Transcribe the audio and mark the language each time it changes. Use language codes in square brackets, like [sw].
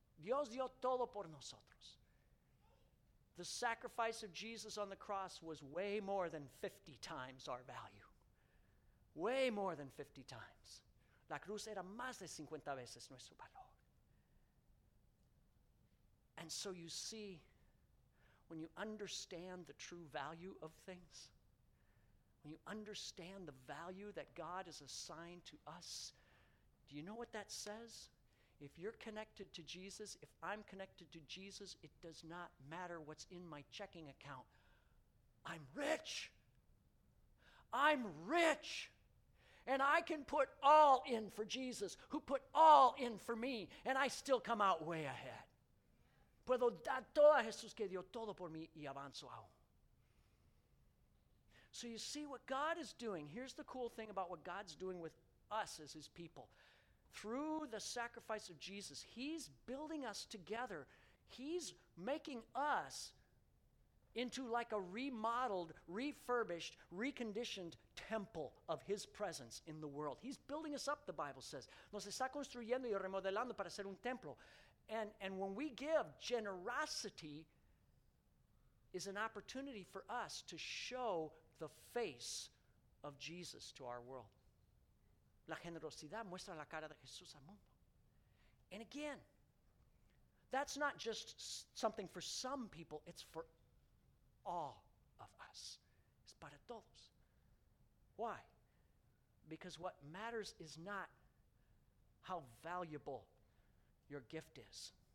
[es] Dios dio todo por nosotros. [en] The sacrifice of Jesus on the cross was way more than 50 times our value. Way more than 50 times. [es] La cruz era más de 50 veces nuestro valor. [en] And so you see, when you understand the true value of things, when you understand the value that God has assigned to us, do you know what that says? If you're connected to Jesus, if I'm connected to Jesus, it does not matter what's in my checking account. I'm rich. I'm rich. And I can put all in for Jesus, who put all in for me, and I still come out way ahead. [es] Puedo dar todo a Jesús que dio todo por mí y avanzo aún. [en] So you see what God is doing. Here's the cool thing about what God's doing with us as his people. Through the sacrifice of Jesus, he's building us together. He's making us into like a remodeled, refurbished, reconditioned temple of his presence in the world. He's building us up, the Bible says. [es] Nos está construyendo y remodelando para ser un templo. [en] And when we give, generosity is an opportunity for us to show the face of Jesus to our world. [es] La generosidad muestra la cara de Jesús al mundo. [en] And again, that's not just something for some people, it's for all of us. It's [es] para todos. [en] Why? Because what matters is not how valuable your gift is.